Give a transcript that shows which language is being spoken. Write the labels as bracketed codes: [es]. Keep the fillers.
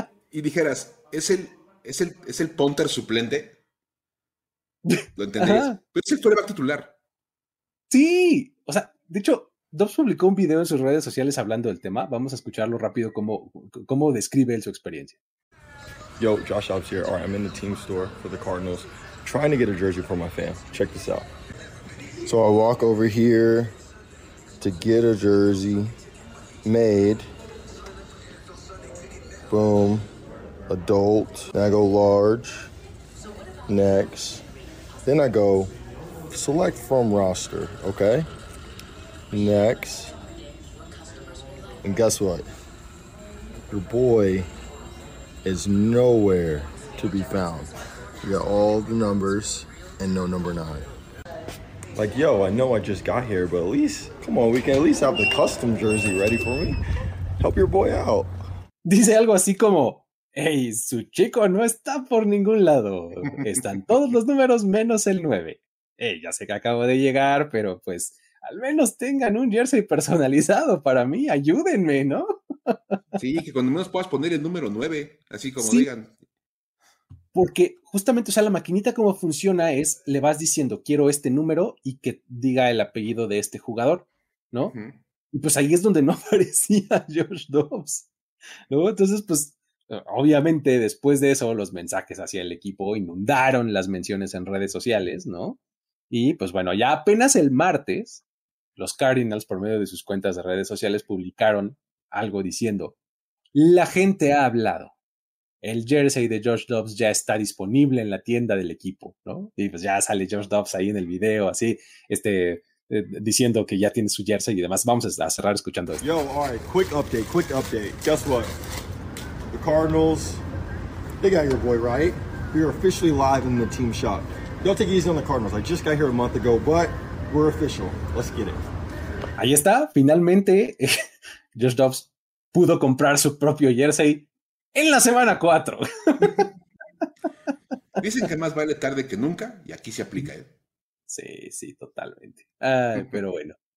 [es] y dijeras, ¿es el, es, el, es el punter suplente. Lo entenderías. Pero es el coreback titular. Sí. O sea, de hecho, Dobbs publicó un video en sus redes sociales hablando del tema. Vamos a escucharlo rápido cómo, describe él su experiencia. [en] Yo, Josh Dobbs here. I'm in the team store for the Cardinals. trying to get a jersey for my fam. Check this out. So I walk over here to get a jersey made. Boom. Adult. Then I go large. Next. Then I go select from roster. Okay. Next. And guess what? Your boy is nowhere to be found. You all the numbers and no number nine. Like, yo, I know I just got here, but at least, come on, we can at least have the custom jersey ready for me. Help your boy out. [es] Dice algo así como, hey, su chico no está por ningún lado. Están todos los números menos el 9. Hey, ya sé que acabo de llegar, pero pues al menos tengan un jersey personalizado para mí. Ayúdenme, ¿no? sí, que cuando menos puedas poner el número 9, así como sí, digan. Porque justamente, o sea, la maquinita como funciona es, le vas diciendo, quiero este número y que diga el apellido de este jugador, ¿no? Uh -huh. Y pues ahí es donde no aparecía Josh Dobbs, ¿no? Entonces, pues, obviamente, después de eso, los mensajes hacia el equipo inundaron las menciones en redes sociales, ¿no? Y pues bueno, ya apenas el martes, los Cardinals, por medio de sus cuentas de redes sociales, publicaron algo diciendo, la gente ha hablado el jersey de Josh Dobbs ya está disponible en la tienda del equipo, ¿no? Y pues ya sale Josh Dobbs ahí en el video, así, este, eh, diciendo que ya tiene su jersey y demás. Vamos a cerrar escuchando esto. [en] Yo, all right, quick update, quick update. Guess what? The Cardinals, they got your boy right. We are officially live in the team shop. Y'all take easy on the Cardinals. I just got here a month ago, but we're official. Let's get it. [es] Ahí está, finalmente, Josh eh, Dobbs pudo comprar su propio jersey en la semana 4. Dicen que más vale tarde que nunca y aquí se aplica. ¿eh? Sí, sí, totalmente. Ay, okay. pero bueno.